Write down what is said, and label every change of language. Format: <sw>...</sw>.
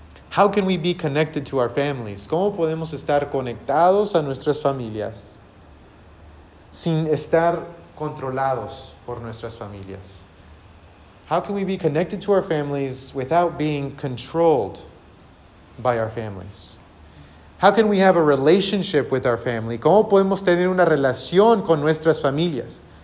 <en>How can we be connected to our families?</en> <es>¿Cómo podemos estar conectados a nuestras familias sin estar controlados por nuestras familias?</es> <en>How can we be connected to our families without being controlled by our families? How can we have a relationship with our family?</en> <es>¿Cómo podemos tener una relación con nuestras familias?</es>